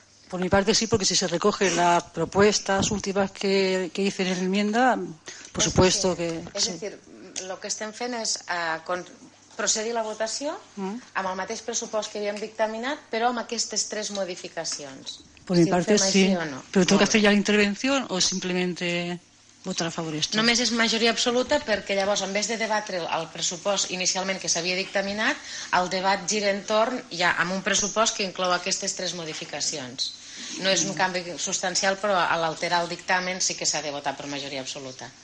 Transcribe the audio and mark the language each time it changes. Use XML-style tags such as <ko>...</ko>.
<es>Por mi parte sí, porque si se recogen las propuestas últimas que hice en la enmienda, por supuesto que...</es> <ca>Es decir, lo que estem fent és procedir a la votació amb el mateix pressupost que havíem dictaminat, però amb aquestes tres modificacions.</ca> <es>Por mi parte sí, però tengo que hacer ya la intervención o simplemente... votar a favor esto.</es> <ca>Només és majoria absoluta perquè llavors,</ca> <es>en vez de</es> <ca>debatre el pressupost inicialment que s'havia dictaminat, el debat gira entorn ja amb un pressupost que inclou aquestes tres modificacions. No és un canvi substancial, però a l'alterar el dictamen sí que s'ha de votar per majoria absoluta.</ca>